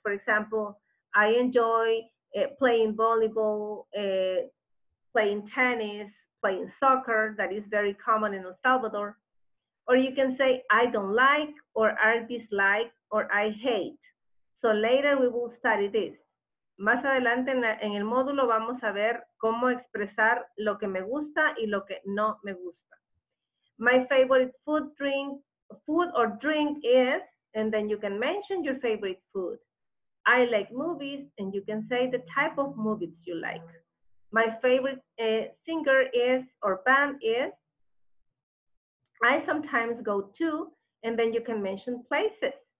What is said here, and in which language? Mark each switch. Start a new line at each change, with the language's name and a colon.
English: For example, I enjoy playing volleyball, playing tennis, playing soccer, that is very common in El Salvador. Or you can say, I don't like, or I dislike, or I hate. So later we will study this.
Spanish: Más adelante en el módulo vamos a ver cómo expresar lo que me gusta y lo que no me gusta.
English: My favorite food or drink is, and then you can mention your favorite food. I like movies, and you can say the type of movies you like. My favorite singer is, or band is, I sometimes go to, and then you can mention places.